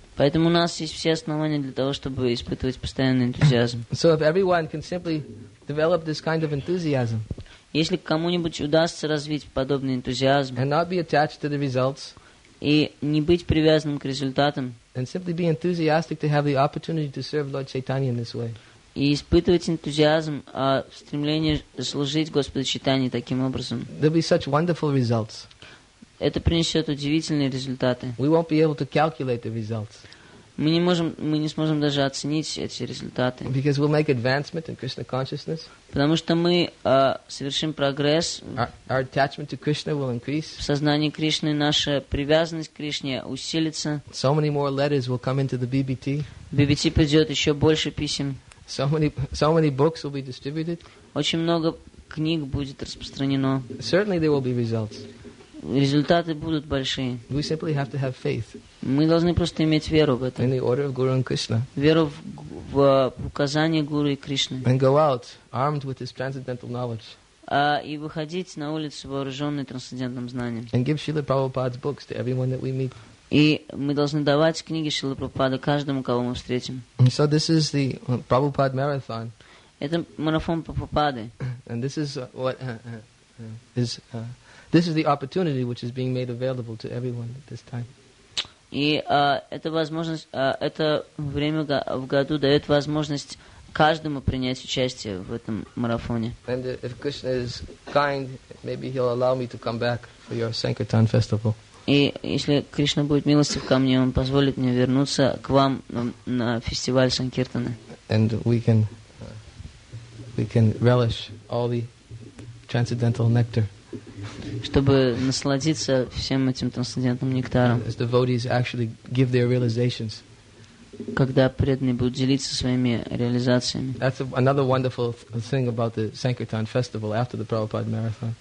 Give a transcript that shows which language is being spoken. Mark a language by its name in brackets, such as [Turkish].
[Russian] Поэтому у нас есть все основания для того, чтобы испытывать постоянный энтузиазм. [English] So if everyone can simply develop this kind of enthusiasm. [Russian] Если кому-нибудь удастся развить подобный энтузиазм [English] and not be attached to the results, [Russian] и не быть привязанным к результатам [English] and simply be enthusiastic to have the opportunity to serve Lord Chaitanya in this way, [Russian] и испытывать энтузиазм о стремлении служить Господу Чайтанье таким образом, [English] there'll be such wonderful results. [Russian] Это принесет удивительные результаты. [English] We won't be able to calculate the results. [Russian] Мы не сможем даже оценить эти результаты. [English] Because we'll make advancement in Krishna consciousness. [Russian] Потому что мы совершим прогресс. [English] Our attachment to Krishna will increase. [Russian] В сознании Кришны наша привязанность к Кришне усилится. [English] So many more letters will come into the BBT. [Russian] В BBT придет еще больше писем. [English] So many books will be distributed. [Russian] Очень много книг будет распространено. [English] Certainly there will be results. [Russian] Результаты будут большие. [English] We simply have to have faith. [Russian] Мы должны просто иметь веру в это. [English] In the order of Guru and Krishna. [Russian] Веру в указание Гуру и Кришны. [English] And go out armed with his transcendental knowledge. [Russian] И выходить на улицу вооруженный трансцендентным знанием. [English] And give Srila Prabhupada's books to everyone that we meet. [Russian] И мы должны давать книги Шрилы Прабхупады каждому, кого мы встретим. [English] And so this is the Prabhupada marathon. [Russian] Это марафон Прабхупады. [English] And this is what this is the opportunity which is being made available to everyone at this time. [Russian] И это возможность, это время в году дает возможность каждому принять участие в этом марафоне. [English] And if Krishna is kind, maybe he'll allow me to come back for your Sankirtan festival. [Russian] И если Кришна будет милостив ко мне, он позволит мне вернуться к вам на фестиваль Санкиртаны. [English] And we can relish all the transcendental nectar. [Russian] Чтобы насладиться всем этим трансцендентным нектаром. [English] As devotees actually give their realizations. [Russian] Когда преданные будут делиться своими реализациями. [English] That's another wonderful thing about the Sankirtan festival after the Prabhupada marathon.